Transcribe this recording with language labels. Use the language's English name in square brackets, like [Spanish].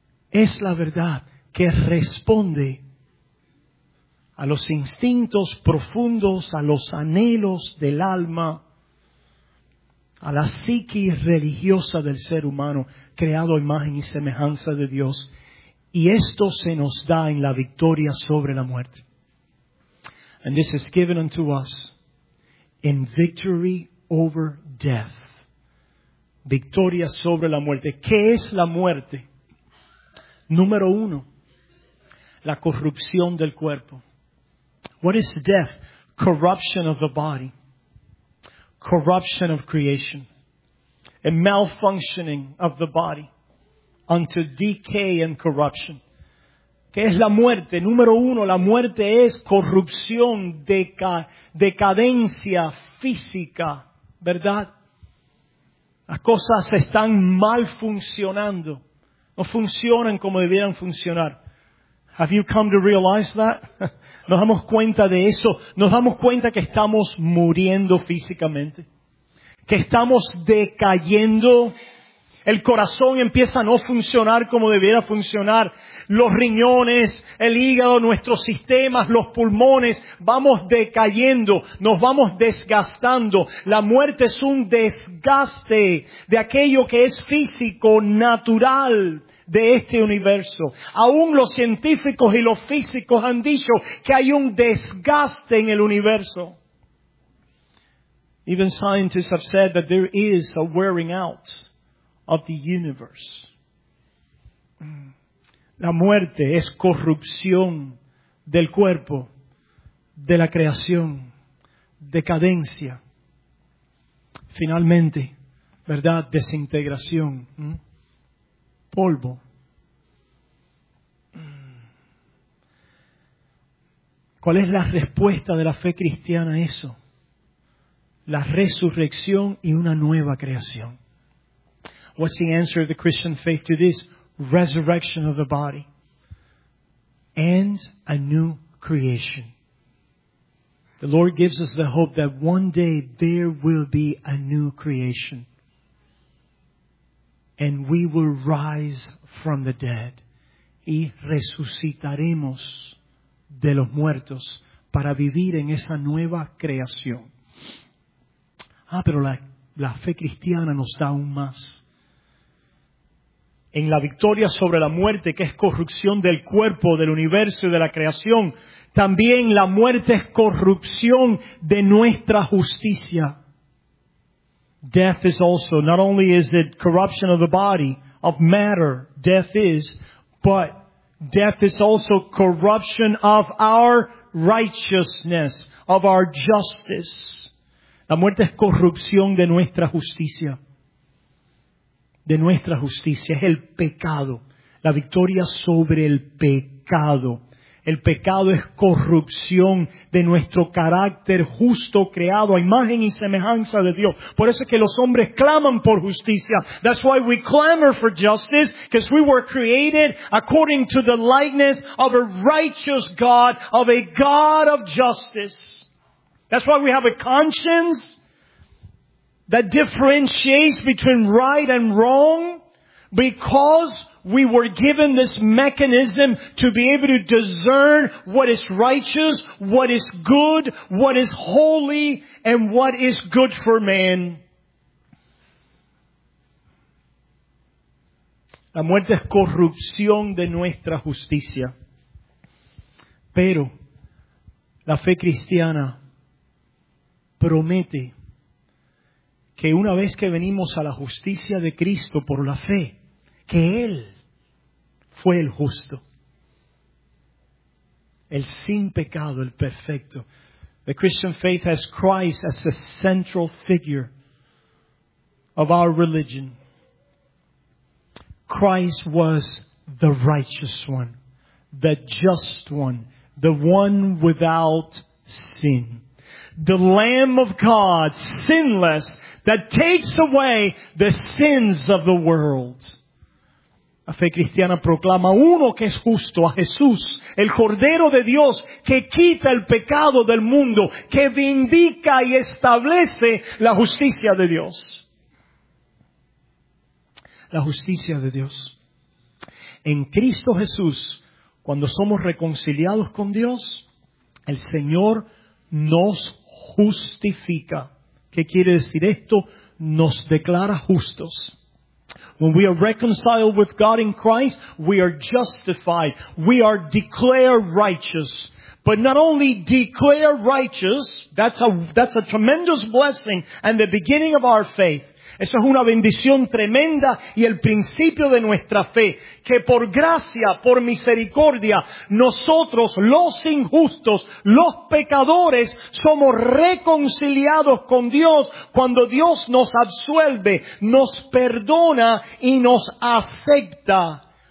[Spanish] Es la verdad que responde a los instintos profundos, a los anhelos del alma, a la psique religiosa del ser humano, creado a imagen y semejanza de Dios. Y esto se nos da en la victoria sobre la muerte. [English] And this is given unto us in victory over death. [Spanish] Victoria sobre la muerte. ¿Qué es la muerte? Número uno, la corrupción del cuerpo. [English] What is death? Corruption of the body. Corruption of creation. A malfunctioning of the body. Unto decay and corruption. [Spanish] que es la muerte. Número uno, la muerte es corrupción, decadencia física, ¿verdad? Las cosas están mal funcionando. No funcionan como debieran funcionar. [English] Have you come to realize that? [Spanish] Nos damos cuenta de eso. Nos damos cuenta que estamos muriendo físicamente. Que estamos decayendo. El corazón empieza a no funcionar como debiera funcionar. Los riñones, el hígado, nuestros sistemas, los pulmones, vamos decayendo, nos vamos desgastando. La muerte es un desgaste de aquello que es físico, natural de este universo. Aún los científicos y los físicos han dicho que hay un desgaste en el universo. [English] Even scientists have said that there is a wearing out of the universe. [Spanish] La muerte es corrupción del cuerpo, de la creación, decadencia. Finalmente, ¿verdad? Desintegración. Polvo. ¿Cuál es la respuesta de la fe cristiana a eso? La resurrección y una nueva creación. [English] What's the answer of the Christian faith to this? Resurrection of the body and a new creation. The Lord gives us the hope that one day there will be a new creation and we will rise from the dead. [Spanish] Y resucitaremos de los muertos para vivir en esa nueva creación. Ah, pero la fe cristiana nos da aún más. En la victoria sobre la muerte, que es corrupción del cuerpo, del universo y de la creación, también la muerte es corrupción de nuestra justicia. [English] Death is also, not only is it corruption of the body, of matter, death is, but death is also corruption of our righteousness, of our justice. [Spanish] La muerte es corrupción de nuestra justicia. De nuestra justicia, es el pecado, la victoria sobre el pecado. El pecado es corrupción de nuestro carácter justo creado a imagen y semejanza de Dios. Por eso es que los hombres claman por justicia. [English] That's why we clamor for justice, because we were created according to the likeness of a righteous God, of a God of justice. That's why we have a conscience that differentiates between right and wrong, because we were given this mechanism to be able to discern what is righteous, what is good, what is holy, and what is good for man. [Spanish] La muerte es corrupción de nuestra justicia. Pero la fe cristiana promete que una vez que venimos a la justicia de Cristo por la fe, que Él fue el justo, el sin pecado, el perfecto. [English] The Christian faith has Christ as the central figure of our religion. Christ was the righteous one, the just one, the one without sin. The Lamb of God, sinless, that takes away the sins of the world. [Spanish] La fe cristiana proclama uno que es justo, a Jesús, el Cordero de Dios, que quita el pecado del mundo, que vindica y establece la justicia de Dios. La justicia de Dios. En Cristo Jesús, cuando somos reconciliados con Dios, el Señor nos justifica. ¿Qué quiere decir esto? Nos declara justos. [English] When we are reconciled with God in Christ, we are justified. We are declared righteous. But not only declared righteous, that's a tremendous blessing and the beginning of our faith. [Spanish] Eso es una bendición tremenda y el principio de nuestra fe. Que por gracia, por misericordia, nosotros los injustos, los pecadores, somos reconciliados con Dios cuando Dios nos absuelve, nos perdona y nos acepta